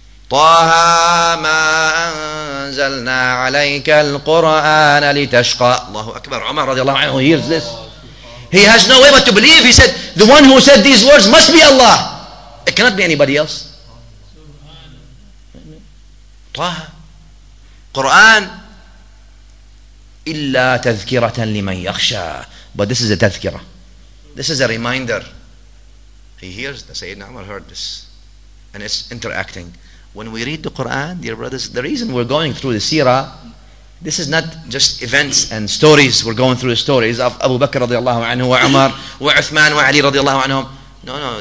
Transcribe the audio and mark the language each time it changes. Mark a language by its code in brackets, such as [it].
[ar] طه ما أنزلنا عليك القرآن لتشقى. الله أكبر. عمر رضي الله عنه [en] hears this. He has no way but to believe. He said, the one who said these words must be Allah. It cannot be anybody else. [ar] طه قرآن إلا تذكرة لمن يخشى. [en] But this is a تذكرة. This is a reminder. He hears this. Sayyidina Umar heard this. And it's interacting. When we read the Quran, dear brothers, the reason we're going through the seerah, this is not just events and stories. We're going through the stories of Abu Bakr radiallahu anhu, wa Umar, wa Uthman, wa Ali radiallahu anhum. No.